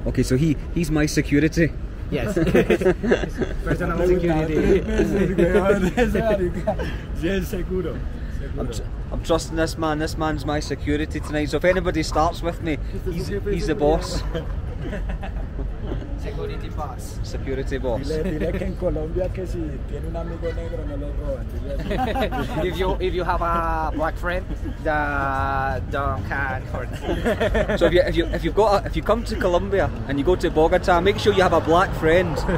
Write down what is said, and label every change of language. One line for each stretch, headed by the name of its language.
English: Okay, so he's my security. Yes. Personal security. Yes, seguro. I'm trusting this man. This man's my security tonight. So if anybody starts with me, he's the boss. Security boss.
Spanish: Dile que en Colombia que si tiene un amigo negro no lo roban.
English: If you have a black friend, don't hurt. So if you come to Colombia and you go to Bogota, make sure you have a black friend.